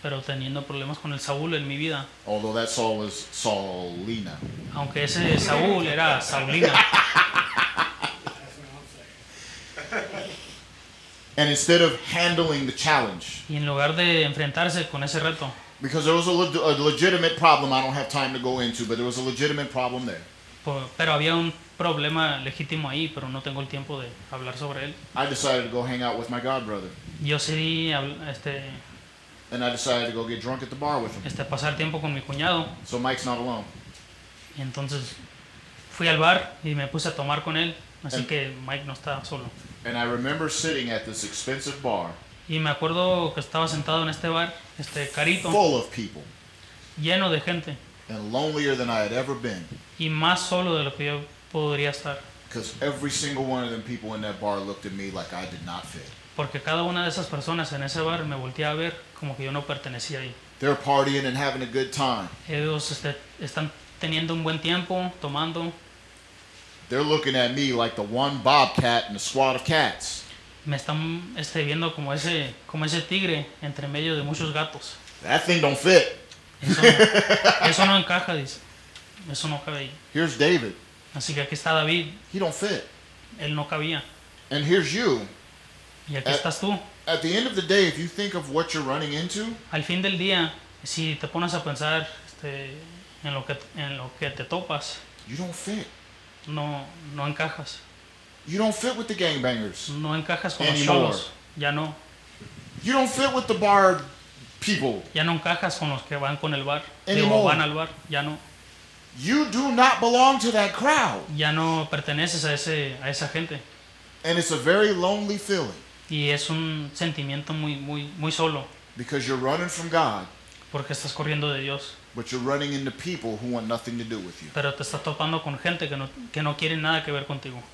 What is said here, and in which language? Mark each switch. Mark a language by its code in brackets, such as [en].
[es] Pero teniendo problemas con el Saúl en mi vida. [en] Although that Saul was Saulina. [es] Aunque ese Saúl era Saulina. [en] And instead of handling the challenge, [es] y en lugar de enfrentarse con ese reto, [en] because there was a legitimate problem I don't have time to go into, but there was a legitimate problem there. [es] Pero había un problema legítimo ahí, pero no tengo el tiempo de hablar sobre él. [en] I decided to go hang out with my God brother. [es] Yo seguí [en] and I decided to go get drunk at the bar with him. [es] Pasar tiempo con mi cuñado. [en] So Mike's not alone. [es] Y entonces fui al bar y me puse a tomar con él, así que Mike no está solo. [en] And I remember sitting at this expensive bar. [es] Y me acuerdo que estaba sentado en este bar, este carito. [en] Full of people. [es] Lleno de gente. [en] And lonelier than I had ever been. [es] Y más solo de lo que yo podría estar. [en] Because every single one of them people in that bar looked at me like I did not fit. [es] Porque cada una de esas personas en ese bar me volteé a ver como que yo no pertenecía ahí. [en] They're partying and having a good time. [es] Ellos están teniendo un buen tiempo, tomando. [en] They're looking at me like the one bobcat in a squad of cats. [es] Me están viendo como ese tigre entre medio de muchos gatos. [en] That thing don't fit. [es] Eso no encaja, dice. Eso no cabe ahí. [en] Here's David. [es] Así que aquí está David. [en] He don't fit. [es] Él no cabía. [en] And here's you. [es] Y aquí estás tú. [en] At the end of the day, if you think of what you're running into, [es] al fin del día, si te pones a pensar en lo que te topas, [en] you don't fit. [es] No encajas. [en] You don't fit with the gangbangers. [es] No encajas con los cholos. Ya no. [en] You don't fit with the bar people. [es] Ya no encajas con los que van con el bar. Digo, van al bar. Ya no. [en] You do not belong to that crowd. [es] Ya no perteneces a esa gente. [en] And it's a very lonely feeling. [es] Y es un sentimiento muy muy muy solo. [en] Because you're running from God. [es] Porque estás corriendo de Dios. [en] But you're running into people who want nothing to do with you. [es] Pero te estás topando con gente que no quiere nada que ver contigo.